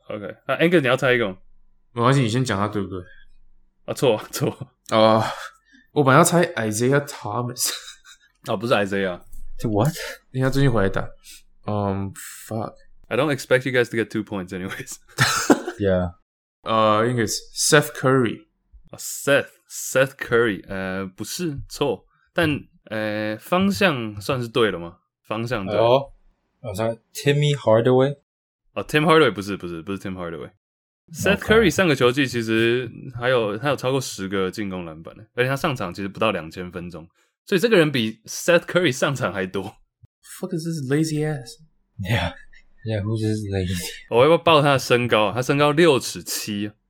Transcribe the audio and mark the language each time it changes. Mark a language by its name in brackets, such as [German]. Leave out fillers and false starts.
[Chinese] OK， 那 Angus 你要猜一个，没关系，你先讲他对不对？啊，错。啊、我本来要猜 Isaiah Thomas，啊、哦，不是 Isaiah， [English] What？ [Chinese] 人家最近回来打。Fuck， [English] I don't expect you guys to get 2 points anyways。 Yeah， [Chinese] 应该是 Seth Curry。 Seth Curry， 不是错，但方向算是对了吗？方向对。哦，我猜 Timmy Hardaway。哦 ，Tim Hardaway 不是 Tim Hardaway。 Seth Curry 上个球季其实还有超过10个进攻篮板，而且他上场其实不到2000分钟，所以这个人比 Seth Curry 上场还多。 [English] Fuck is this lazy ass？ Yeah， who's this lazy？ [Chinese] 我要不要报他的身高、啊？他身高6'7"。